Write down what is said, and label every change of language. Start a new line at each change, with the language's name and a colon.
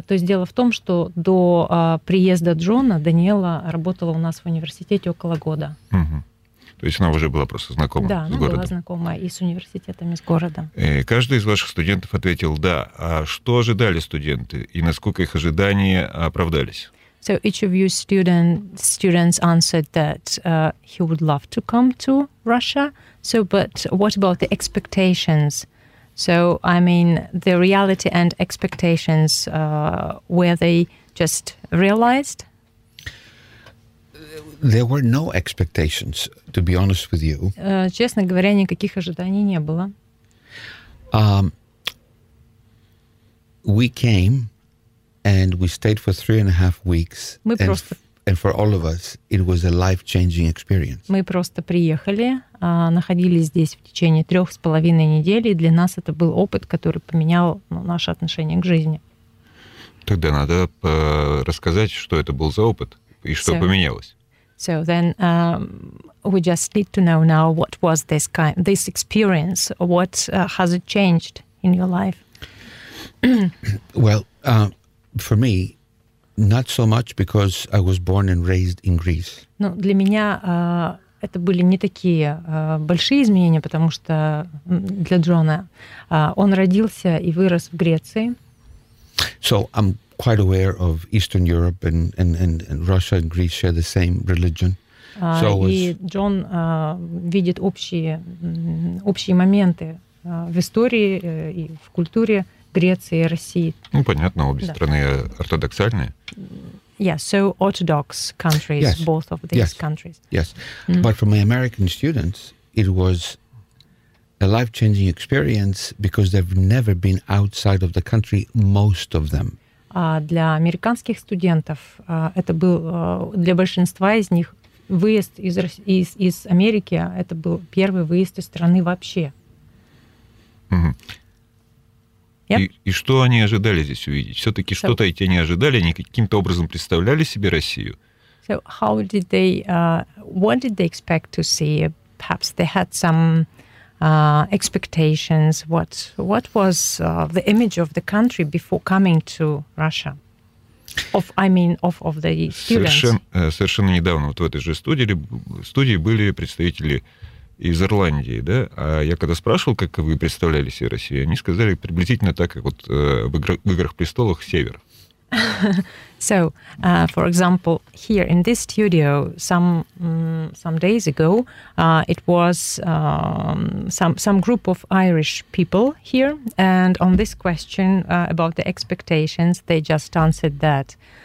Russian: То есть дело в том, что до приезда Джона Даниэла работала у нас в университете около года. То есть она уже была просто знакома да, с городом? Да, она была знакома и с университетом, и с городом. И каждый из ваших студентов ответил «да». А что ожидали студенты, и насколько их ожидания оправдались?
English: So each of you students answered that he would love to come to Russia. So, but what about the expectations? So, I mean, the reality and expectations, were they just realized? There were no expectations, to be honest with you.
Russian: Честно говоря, никаких ожиданий не было.
English: We came and we stayed for 3.5 weeks.
Russian: Мы
English: and,
Russian: просто...
English: and for all of us, it was a life-changing experience.
Russian: Мы просто приехали, находились здесь в течение 3.5 недели, и для нас это был опыт, который поменял наше отношение к жизни. Тогда надо рассказать, что это был за опыт и что поменялось.
English: So then we just need to know now what was this kind, this experience, what has it changed in your life? Well, for me, not so much because I was born and raised in Greece.
Russian: Ну, для меня это были не такие большие изменения, потому что для Джона он родился и вырос в Греции.
English: So I'm quite aware of Eastern Europe and Russia and Greece share the same religion.
Russian: So и Джон видит общие моменты в истории и в культуре Греции и России. Ну, понятно, обе страны ортодоксальные.
English: Yes, so orthodox countries, yes. Both of these yes. countries. Yes, mm-hmm. But for my American students, it was a life-changing experience because they've never been outside of the country, most of them.
Russian: Для американских студентов это был, для большинства из них, выезд из Америки, это был первый выезд из страны вообще.
English: Mm-hmm. Yep.
Russian: И что они ожидали здесь увидеть? Все-таки что-то эти не ожидали, они каким-то образом представляли себе Россию?
English: So how did they, what did they expect to see? Perhaps they had some expectations. What was the image of the country before coming to Russia? Of, I mean, of the students.
Russian: Совершенно недавно вот в этой же студии были представители из Ирландии, да? А я когда спрашивал, как вы представляли себе Россию, они сказали приблизительно так, как вот в «Играх престолов» север.
English: So, for example, here in this studio, some days ago, it was some group of Irish people here, and on this question about the expectations, they just answered that.